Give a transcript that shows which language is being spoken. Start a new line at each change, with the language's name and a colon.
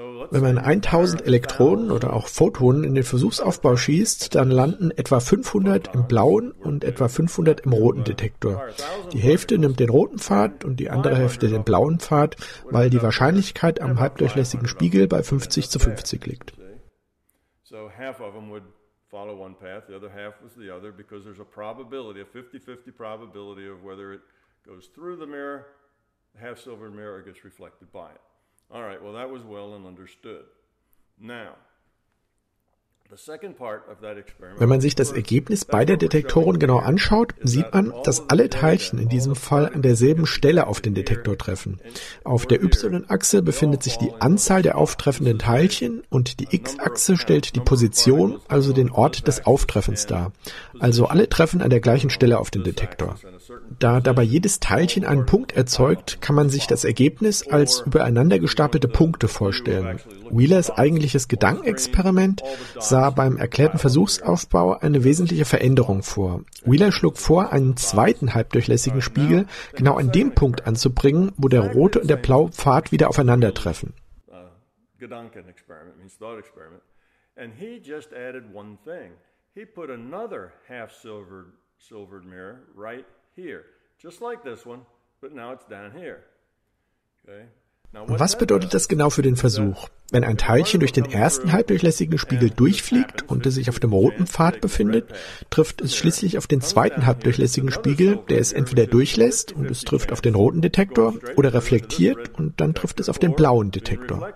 German: Wenn man 1000 Elektronen oder auch Photonen in den Versuchsaufbau schießt, dann landen etwa 500 im blauen und etwa 500 im roten Detektor. Die Hälfte nimmt den roten Pfad und die andere Hälfte den blauen Pfad, weil die Wahrscheinlichkeit am halbdurchlässigen Spiegel bei 50 zu 50 liegt.
English: So half of them would follow one path, the other half was the other, because there's a probability, a 50-50 probability of whether it goes through the mirror, half-silver mirror gets reflected by it. All right, well, that was well and understood. Now, the second part of that experiment.
German: Wenn man sich das Ergebnis beider Detektoren genau anschaut, sieht man, dass alle Teilchen in diesem Fall an derselben Stelle auf den Detektor treffen. Auf der Y-Achse befindet sich die Anzahl der auftreffenden Teilchen und die X-Achse stellt die Position, also den Ort des Auftreffens dar. Also alle treffen an der gleichen Stelle auf den Detektor. Da dabei jedes Teilchen einen Punkt erzeugt, kann man sich das Ergebnis als übereinander gestapelte Punkte vorstellen. Wheelers eigentliches Gedankenexperiment sah beim erklärten Versuchsaufbau eine wesentliche Veränderung vor. Wheeler schlug vor, einen zweiten halbdurchlässigen Spiegel genau an dem Punkt anzubringen, wo der rote und der blaue Pfad wieder aufeinandertreffen.
English: And he just added one thing. He put another half-silvered mirror right here, just like this one, but now it's down here.
German: Okay. Was bedeutet das genau für den Versuch? Wenn ein Teilchen durch den ersten halbdurchlässigen Spiegel durchfliegt und es sich auf dem roten Pfad befindet, trifft es schließlich auf den zweiten halbdurchlässigen Spiegel, der es entweder durchlässt und es trifft auf den roten Detektor oder reflektiert und dann trifft es auf den blauen Detektor.